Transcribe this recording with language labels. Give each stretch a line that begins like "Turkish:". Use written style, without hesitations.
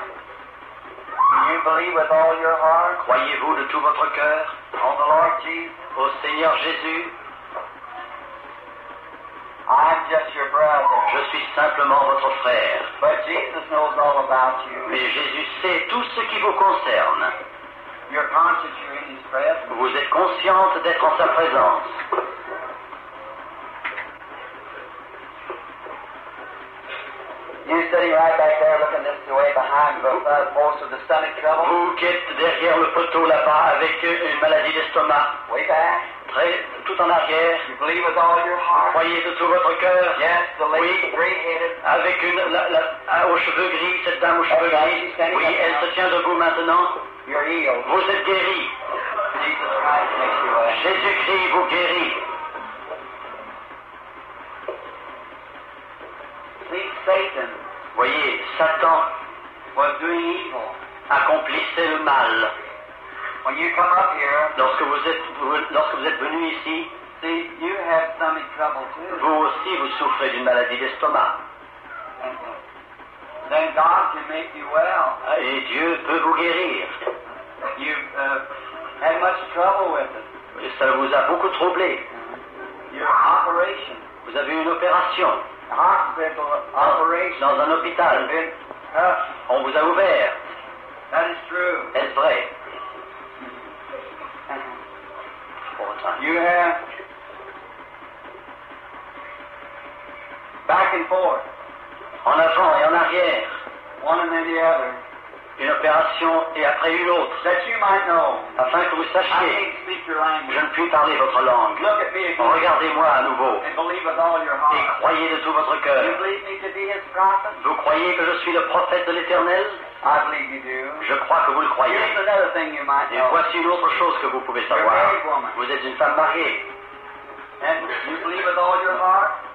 English: Do you believe with all your heart?
French: Croyez-vous de tout votre cœur?
English: On the Lord Jesus.
French: Au Seigneur Jésus.
English: I'm just your brother.
French: Je suis simplement votre frère.
English: But Jesus knows all about you.
French: Mais Jésus sait tout ce qui vous concerne.
English: You're conscious you're in his presence.
French: Vous êtes consciente d'être en sa présence.
English: You're sitting right back there looking this way behind you, but most of the stomach trouble.
French: Vous qui êtes derrière le poteau là-bas avec une maladie d'estomac.
English: Way back.
French: Tout en arrière.
English: You believe with all your heart.
French: Vous croyez de tout votre cœur.
English: Yes, the lady,
French: oui.
English: Gray-headed.
French: Avec une aux cheveux gris, cette dame aux cheveux
English: okay,
French: gris. Oui, elle se tient debout maintenant.
English: You're healed.
French: Vous êtes guéri.
English: Jesus Christ makes you well.
French: Jésus-Christ vous guérit.
English: See, Satan.
French: Voyez, Satan
English: was doing evil.
French: Accomplissait le mal.
English: When you come up here,
French: lorsque vous êtes venu ici,
English: see, you have stomach trouble too.
French: Vous aussi vous souffrez d'une maladie d'estomac.
English: Then God can make you well.
French: Et Dieu peut vous guérir.
English: You had much trouble with it.
French: Ça vous a beaucoup troublé.
English: Your operation.
French: Vous avez une opération.
English: Hospital operation.
French: Dans un hôpital. On vous a ouvert.
English: That is true.
French: Est-ce vrai?
English: You have back and forth.
French: En avant et en arrière.
English: One and then the other.
French: Une opération et après une autre.
English: That you might know.
French: Afin que vous sachiez.
English: I can't speak your language.
French: Je ne puis parler votre langue.
English: Look at me again.
French: Regardez-moi à nouveau.
English: And believe with all your heart.
French: Et croyez de tout votre cœur.
English: You believe me to be his prophet?
French: Vous croyez que je suis le prophète de l'Éternel?
English: I believe you do.
French: Je crois que vous le croyez.
English: Here's another thing you might know.
French: Et voici une autre chose que vous pouvez savoir.
English: You're a married woman.
French: Vous êtes une femme mariée.
English: And you believe with all your heart?